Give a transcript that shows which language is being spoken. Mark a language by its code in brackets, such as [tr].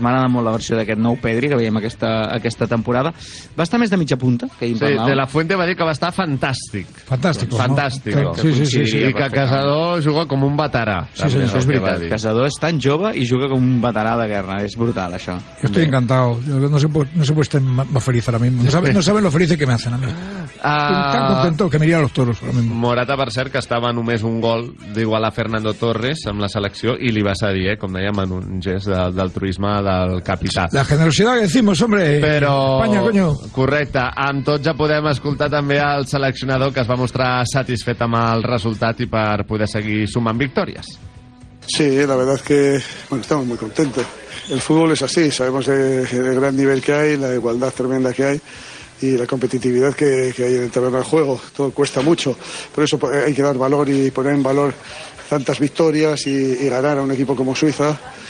[ca] M'agrada molt la versió d'aquest nou Pedri, que veiem aquesta temporada. Va estar més de mitja punta, que hi parlàvem. Sí, De la Fuente va dir que va estar fantàstic. [es] Fantàstico, [ca] fantàstic, no? Sí. I que Casado juga com un veterà. Sí, és veritat. Casado és tan jove i juga com un veterà de guerra. És brutal, això. [es] Yo estoy encantado. No sé por qué estén más feliz ahora mismo. No saben lo feliz que me hacen a mí. Estoy tan contento que miría a los toros ahora mismo. [ca] Morata, per cert, que estava només un gol d'igual a Fernando Torres amb la selecció, i li va cedir, com dèiem, en un gest d'altruisme del capità. La generosidad que decimos, hombre. Però, [es] España, coño. [ca] Correcte. Amb tot ja podem escoltar també el seleccionador, que es va mostrar satisfet amb el resultat i per poder seguir sumant victòries. [es] Sí, la verdad es que bueno, estamos muy contentos. El fútbol es así, sabemos el gran nivel que hay, la igualdad tremenda que hay y la competitividad que hay en el terreno de juego. Todo cuesta mucho, por eso hay que dar valor y poner en valor tantas victorias y ganar a un equipo como Suiza.